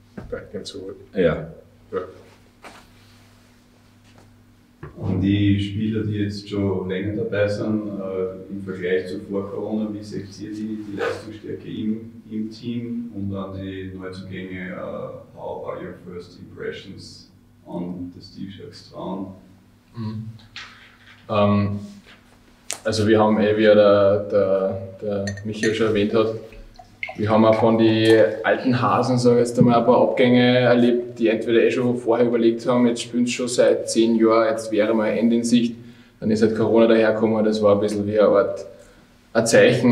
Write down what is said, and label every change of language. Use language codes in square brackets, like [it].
[en] Back and forth. [de] Ja. Und die Spieler, die jetzt schon länger dabei sind, im Vergleich zu vor Corona, wie seht ihr die Leistungsstärke im Team und dann die Neuzugänge? [en] How are your first impressions on the Steve Schalks Traun? Mhm. [de] Also wir haben, wie der Michael schon erwähnt hat, wir haben auch von den alten Hasen, sag ich jetzt einmal, ein paar Abgänge erlebt, die entweder eh schon vorher überlegt haben, jetzt spielen sie schon seit 10 Jahren, jetzt wäre mal ein Ende in Sicht. Dann ist halt Corona dahergekommen, das war ein bisschen wie eine Art ein Zeichen.